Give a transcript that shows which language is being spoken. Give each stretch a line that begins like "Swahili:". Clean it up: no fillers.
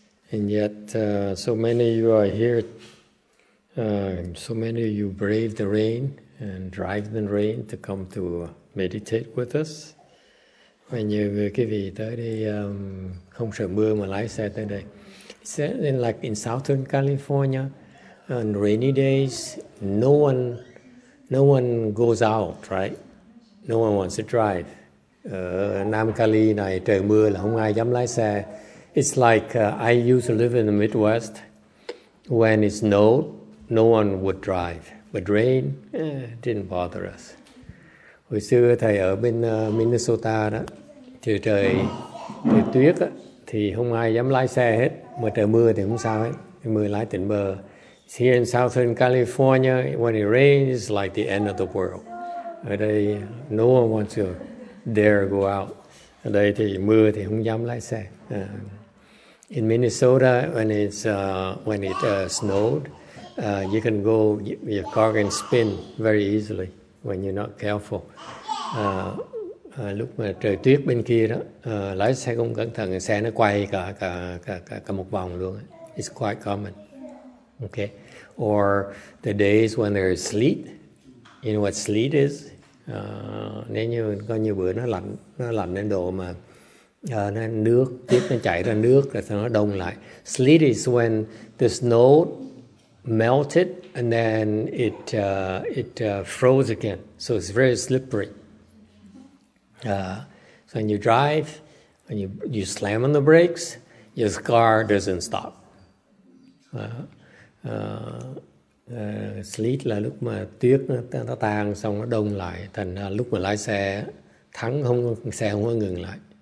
English: And yet, so many of you are here. So many of you brave the rain and drive the rain to come to meditate with us.
Vietnamese: Và nhiều người quý vị tới đây không sợ mưa mà lái xe tới đây.
English: In like in Southern California, on rainy days, no one goes out, right? No one wants to drive.
Vietnamese: Nam Cali này trời mưa là không ai dám lái xe.
English: It's like I used to live in the Midwest. When it snowed, no one would drive. But rain, didn't bother us.
Vietnamese: Hồi xưa thầy ở bên Minnesota đó, trời tuyết á, thì không ai dám lái xe hết. Mà trời mưa thì không sao hết. Mưa lái tỉnh bờ.
English: Here in Southern California, when it rains, it's like the end of the world.
Vietnamese: Ở đây,
English: no one wants to dare go out.
Vietnamese: Ở đây thì mưa thì không dám lái xe.
English: In Minnesota, when it snowed, you can go, your car can spin very easily when you're not careful.
Vietnamese: Lúc mà trời tuyết bên kia đó, lái xe không cẩn thận, xe nó quay cả một vòng luôn.
English: It's quite common. Okay. Or the days when there's sleet. You know what sleet is?
Vietnamese: Nếu như có nhiều bữa nó lạnh đến độ mà nó nước, tuyết nó chảy ra nước, rồi nó đông lại.
English: Sleet is when the snow melted and then it froze again. So it's very slippery. So when you drive, when you slam on the brakes, your car doesn't stop.
Vietnamese: Sleet là lúc mà tuyết nó tan xong nó đông lại, thành lúc mà lái xe thắng không xe không có ngừng lại.